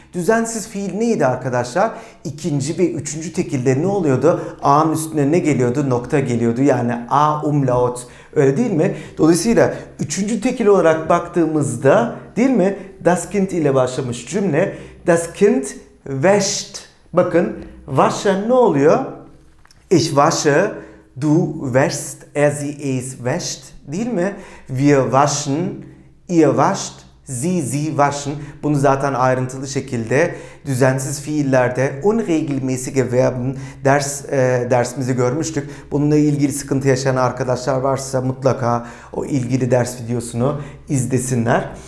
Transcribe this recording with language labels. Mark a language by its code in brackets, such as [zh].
[tr] Düzensiz fiil neydi arkadaşlar? İkinci ve üçüncü tekilde ne oluyordu? A'nın üstüne ne geliyordu? Nokta geliyordu. Yani A umlaut. Öyle değil mi? Dolayısıyla üçüncü tekil olarak baktığımızda, değil mi? [de] Das Kind [tr] ile başlamış cümle. [de] Das Kind wäscht. [tr] Bakın, waschen ne oluyor? [de] Ich wasche, du wäschst, er sie es wäscht. [tr] Değil mi? [de] Wir waschen, ihr wascht. Sie waschen. [tr] Bunu zaten ayrıntılı şekilde düzensiz fiillerde unregelmäßige Verben dersimizi görmüştük. Bununla ilgili sıkıntı yaşayan arkadaşlar varsa mutlaka o ilgili ders videosunu izlesinler.